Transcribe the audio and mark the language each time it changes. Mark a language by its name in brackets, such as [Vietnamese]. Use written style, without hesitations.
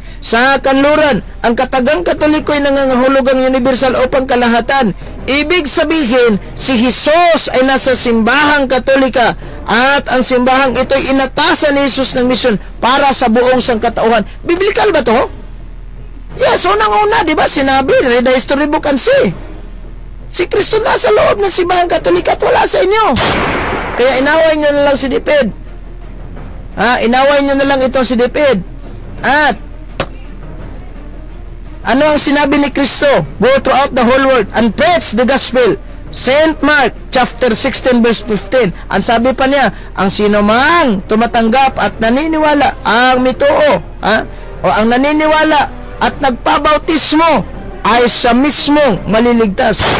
[Filipino] Sa kanluran, ang katagang Katoliko ay nangangahulugang universal o pangkalahatan. Ibig sabihin, si Jesus ay nasa simbahang Katolika at ang simbahang ito ay inatasan ni Jesus ng misyon para sa buong sangkatauhan. Biblical ba to? Yes, unang-una, di ba? [English] Sinabi, read the history book and see. [Filipino] Si Kristo nasa loob ng simbahang Katolika at wala sa inyo. Kaya inaway nyo na lang si Deped. Ha? Inaway nyo na lang itong si Deped. At ano ang sinabi ni Kristo? [English] Go throughout the whole world and preach the gospel. St. Mark chapter 16 verse 15. [Filipino] Ang sabi pa niya, ang sino mang tumatanggap at naniniwala ang mituo, ha? O ang naniniwala at nagpabautismo ay sa mismong maliligtas.